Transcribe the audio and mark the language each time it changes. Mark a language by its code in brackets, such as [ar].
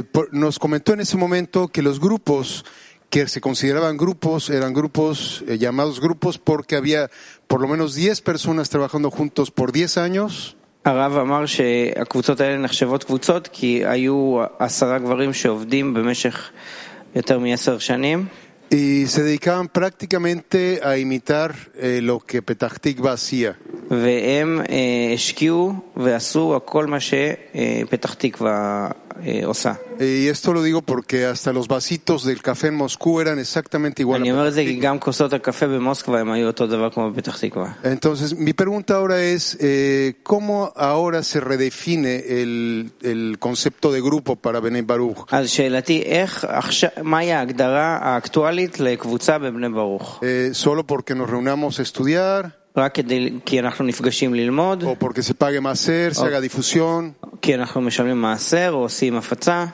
[es] Nos comentó en ese momento que los grupos que se consideraban grupos eran grupos llamados grupos porque había por lo menos 10 personas trabajando juntos por 10 años. [he] הרב אמר שהקבוצות האלה נחשבות קבוצות כי היו 10 גברים שעובדים במשך יותר מ-10 שנים. [es] Y se dedicaban prácticamente a imitar lo que Petah Tikva hacía. [he] והם השקיעו ועשו הכל מה שפתח תקווה עושה. [es] Y esto lo digo porque hasta los vasitos del café en Moscú eran exactamente igual. [he] אני אומר את זה כי גם כוסות הקפה במוסקבה הם היו אותו דבר כמו בפתח תקווה. [es] Entonces mi pregunta ahora es cómo ahora se redefine el concepto de grupo para בני ברוך. [he] אז שאלתי איך, מה היא ההגדרה האקטואלית לקבוצה בבני ברוך? [es] Solo porque nos reunamos a estudiar. [he] רק כדי, כי אנחנו נפגשים ללמוד. [es] O porque se pague maser, se haga difusión. [he] כי אנחנו משלמים מעשר או עושים הפצה.